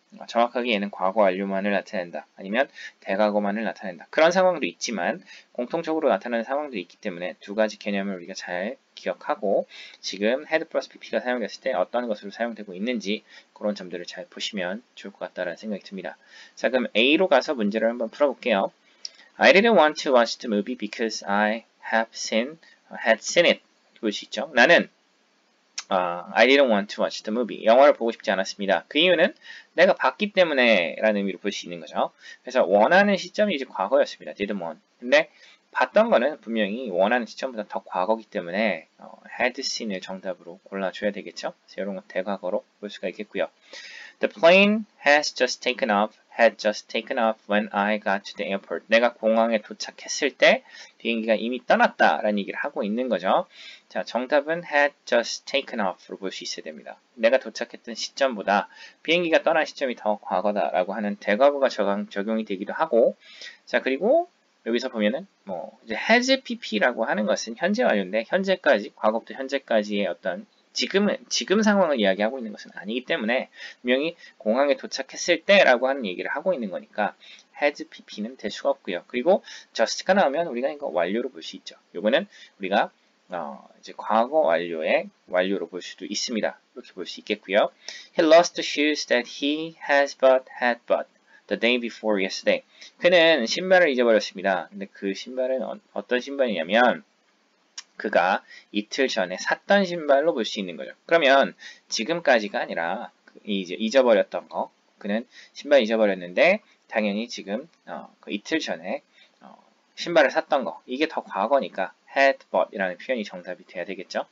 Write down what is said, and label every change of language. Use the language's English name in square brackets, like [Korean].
[Korean] 정확하게 얘는 과거 완료만을 나타낸다 아니면 대과거만을 나타낸다 그런 상황도 있지만 공통적으로 나타나는 상황도 있기 때문에 두 가지 개념을 우리가 잘 기억하고 지금 [English] had plus pp [Korean] 가 사용됐을 때 어떤 것으로 사용되고 있는지 그런 점들을 잘 보시면 좋을 것 같다는 생각이 듭니다. 자, 그럼 A로 가서 문제를 한번 풀어볼게요. [English] I didn't want to watch the movie because I have seen, had seen it. [Korean] 볼 수 있죠? 나는 [English] I didn't want to watch the movie. [Korean] 영화를 보고 싶지 않았습니다. 그 이유는 내가 봤기 때문에 라는 의미로 볼 수 있는 거죠. 그래서 원하는 시점이 이제 과거였습니다. [English] didn't want. [Korean] 근데 봤던 거는 분명히 원하는 시점보다 더 과거기 때문에 had seen을 정답으로 골라줘야 되겠죠. 그래서 이런 거 대과거로 볼 수가 있겠고요. [English] The plane has just taken off, had just taken off when I got to the airport. [Korean] 내가 공항에 도착했을 때 비행기가 이미 떠났다 라는 얘기를 하고 있는 거죠. 자, 정답은 [English] had just taken off [Korean] 로 볼 수 있어야 됩니다. 내가 도착했던 시점보다 비행기가 떠난 시점이 더 과거다 라고 하는 대과거가 적용이 되기도 하고, 자, 그리고 여기서 보면은 뭐 이제 has pp라고 하는 것은 현재 완료인데 현재까지, 과거부터 현재까지의 어떤 지금 상황을 이야기하고 있는 것은 아니기 때문에 분명히 공항에 도착했을 때라고 하는 얘기를 하고 있는 거니까 had pp는 될 수가 없고요. 그리고 just가 나오면 우리가 이거 완료로 볼 수 있죠. 요거는 우리가 이제 과거 완료의 완료로 볼 수도 있습니다. 이렇게 볼 수 있겠고요. [English] He lost the shoes that he has bought had bought the day before yesterday. [Korean] 그는 신발을 잊어버렸습니다. 근데 그 신발은 어떤 신발이냐면 그가 이틀 전에 샀던 신발로 볼 수 있는 거죠. 그러면 지금까지가 아니라 이제 잊어버렸던 거, 그는 신발 잊어버렸는데 당연히 지금 그 이틀 전에 신발을 샀던 거, 이게 더 과거니까 had bought 이라는 표현이 정답이 돼야 되겠죠.